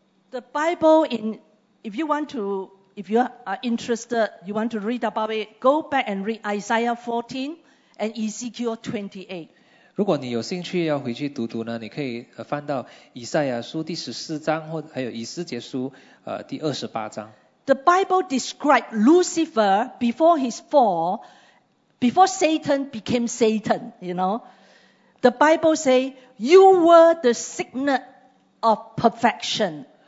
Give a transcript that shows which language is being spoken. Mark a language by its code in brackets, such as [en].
[en] ，The Bible in if you want to if you are interested you want to read about it go back and read Isaiah 14 and Ezekiel 28. [zh] 如果你有兴趣要回去读读呢，你可以翻到以赛亚书第十四章，或还有以斯帖书第二十八章。 [en] The Bible described Lucifer before his fall. Before Satan became Satan, you know, the Bible says, you were the signet of perfection.